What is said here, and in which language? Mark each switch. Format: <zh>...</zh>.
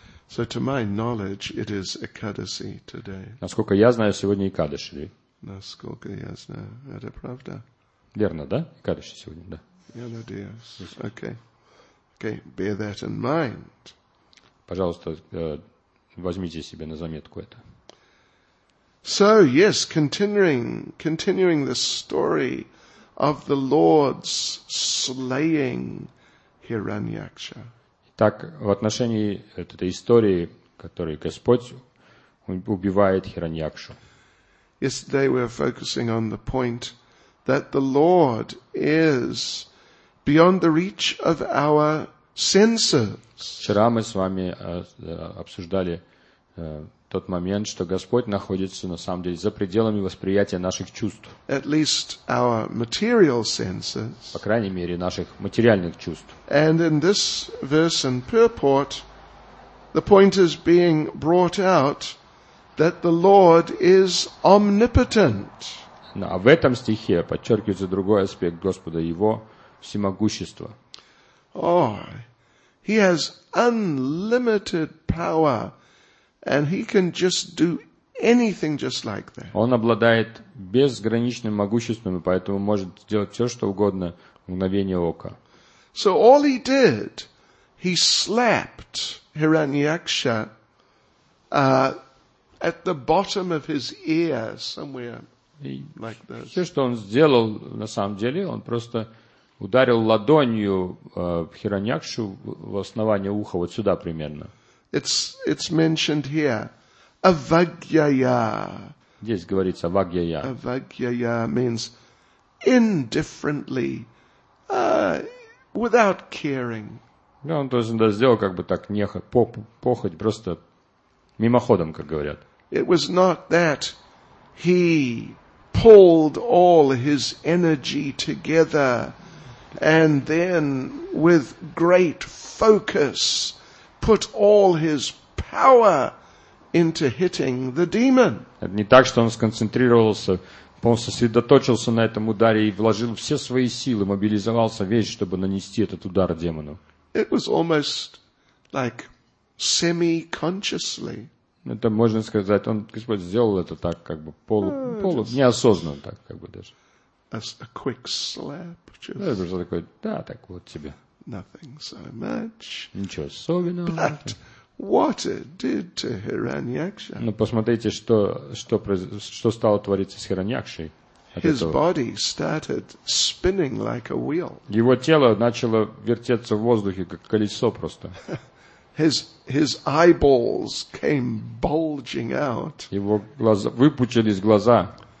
<en>So to my knowledge, it is Ekadasi today.</en> <ru>Насколько я знаю, сегодня Экадаши. Насколько я знаю, это правда? Верно, да? Экадаши сегодня, да. Я надеюсь.</ru> <en>Okay. Okay, bear that in mind.</en> <ru>Пожалуйста, возьмите себе на заметку это.</ru> <en>So, yes, continuing the story of the Lord's slaying Hiranyaksha.</en> <ru>Так, в отношении этой истории, которой Господь убивает Хираньякшу.</ru> <en>Yesterday we were focusing on the point that the Lord is beyond the reach of our senses.</en> <ru>Вчера мы с вами обсуждали тот момент, что Господь находится на самом деле за пределами восприятия наших чувств.</ru> <en>At least our material senses.</en> <ru>По крайней мере, наших материальных чувств.</ru> <en>And in this verse and purport, the point is being brought out that the Lord is omnipotent.</en> <ru>Ну, а в этом стихе подчеркивается другой аспект Господа, Его всемогущество.</ru> <en>Oh, He has unlimited power. And he can just do anything just like that.</en> <ru>Он обладает безграничным могуществом, и поэтому может сделать все, что угодно в мгновение ока.</ru> <en>So all he did, he slapped Hiranyaksha at the bottom of his ear somewhere like this.</en> <ru>Все, что он сделал, на самом деле, он просто ударил ладонью Хираньякшу в основание уха, вот сюда примерно.</ru> <en>It's mentioned here, avagyaya.</en> <ru>Здесь говорится avagyaya.</ru> <en>Avagyaya means indifferently, without caring.</en> <ru>Да, он тоже это сделал как бы так похоть, просто мимоходом, как говорят.</ru> <en>It was not that he pulled all his energy together and then with great focus put all his power into hitting the demon.</en> <ru>Это не так, что он сконцентрировался, полностью сосредоточился на этом ударе и вложил все свои силы, мобилизовался весь, чтобы нанести этот удар демону.</ru> <en>It was almost like semi-consciously.</en> <ru>Это можно сказать, он Господь сделал это так, как бы неосознанно так, как бы даже.</ru> <en>As a quick slap.</en> <ru>Просто такой, да, так вот тебе.</ru> <en>Nothing so much.</en> <ru>Ничего особенного.</ru> <en>But what it did to Hiranyaksha.</en> <ru>Но посмотрите, что стало твориться с Хираньякшей.</ru> <en>His body started spinning like a wheel.</en> <ru>Его тело начало вертеться в воздухе, как колесо просто.</ru> <en>His eyeballs came bulging out.</en> <ru>Его глаза, выпучились глаза.</ru>